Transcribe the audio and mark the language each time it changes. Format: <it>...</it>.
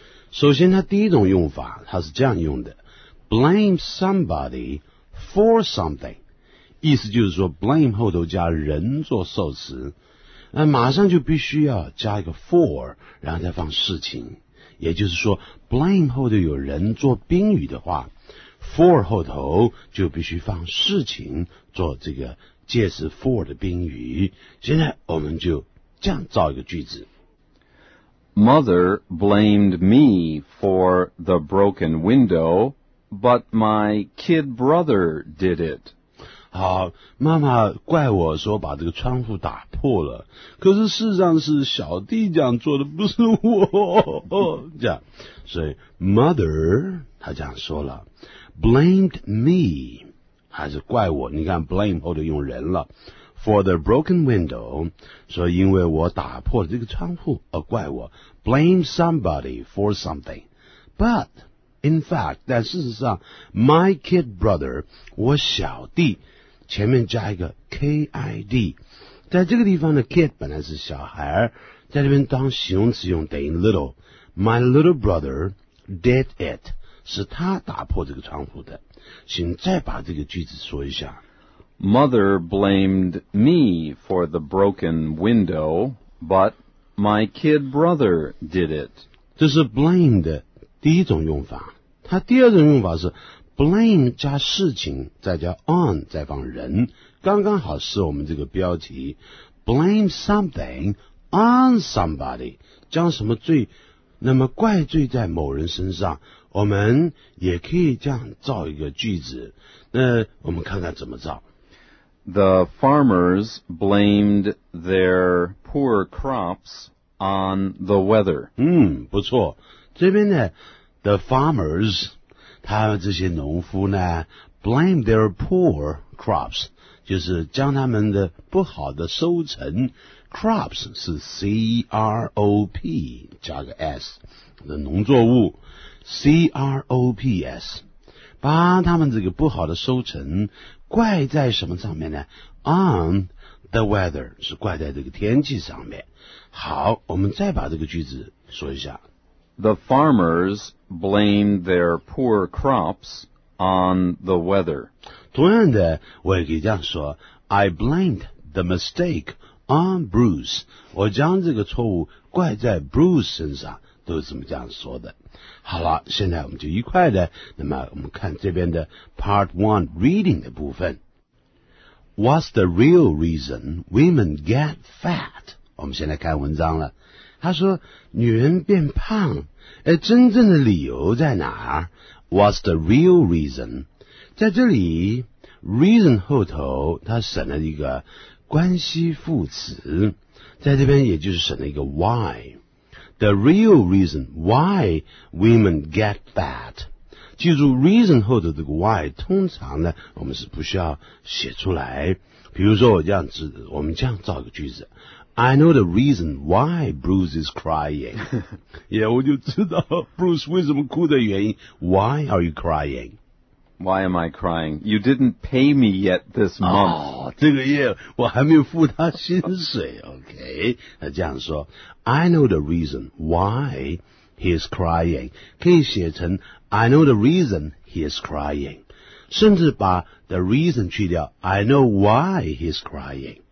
<zh>首先它第一种用法它是这样用的，</zh> <en>blame somebody for something，</en> <zh>意思就是说 blame 后头加人做受词，那马上就必须要加一个 for， 然后再放事情，也就是说 blame 后头有人做宾语的话， for 后头就必须放事情做这个介词 for 的宾语。现在我们就这样造一个句子。</zh> <en>Mother blamed me for the broken window, but my kid brother did it.</en> <zh>好，妈妈怪我说把这个窗户打破了，可是事实上是小弟这样做的，不是我这样。所以 mother 她这样说了，</zh> <en>blamed me</en> <zh>还是怪我，你看 blame 后头用人了， for the broken window， 说因为我打破了这个窗户而怪我，</zh> <en>blame somebody for something， but in fact，</en> <zh>但事实上</zh> <en>my kid brother，</en> <zh>我小弟，前面加一个 kid， 在这个地方的 kid 本来是小孩，在这边当形容词用，等于 little。</zh> <en>My little brother did it，</en> <zh>是他打破这个窗户的。请再把这个句子说一下。</zh> <en>Mother blamed me for the broken window, but My kid brother did it.</en> <zh>这是 blame 的第一种用法。它第二种用法是 blame 加事情再加 on 再放人，刚刚好是我们这个标题</zh> <en>blame something on somebody，</en> <zh>将什么罪那么怪罪在某人身上。我们也可以这样造一个句子，那我们看看怎么造。</zh> <en>The farmers blamed their poor crops on the weather.</en> <zh>嗯，不错。这边呢 ，</zh> <en>the farmers，</en> <zh>他们这些农夫呢 ，</zh> <en>blame their poor crops，</en> <zh>就是将他们的不好的收成 ，crops 是 c r o p 加个 s 的农作物 ，c r o p s， 把他们这个不好的收成。怪在什么上面呢 ？</zh> <en>On the weather</en> <zh>是怪在这个天气上面。好，我们再把这个句子说一下。</zh> <en>The farmers blamed their poor crops on the weather.</en> <zh>同样的，我也可以这样说</zh> <en>：I blamed the mistake on Bruce.</en> <zh>我将这个错误怪在 Bruce 身上，都是这么这样说的。好了，现在我们就一块的，那么我们看这边的 part one reading 的部分。</zh> <en>What's the real reason women get fat?</en> <zh>我们先来看文章了。他说女人变胖，真正的理由在哪儿？</zh> <en>What's the real reason?</en> <zh>在这里 reason 后头他省了一个关系副词，在这边也就是省了一个 why。</zh> <en>The real reason why women get fat.</en> <zh>记住 reason 后的这个 why 通常呢我们是不需要写出来。比如说我们这样造个句子。</zh> <en>I know the reason why Bruce is crying.</en> <zh>yeah, 我就知道 Bruce 为什么哭的原因。</zh> <en>Why are you crying? Why am I crying? You didn't pay me yet this month.</en> <zh>这个月我还没有付他薪水。</zh> <en>OK,</en> <zh>他这样说</zh> <en>I know the reason why he is crying.</en> <zh>可以写成</zh> <en>I know the reason he is crying.</en> <zh>甚至把</zh> <en>the reason</en> <zh>去掉</zh> <en>I know why he is crying.</en>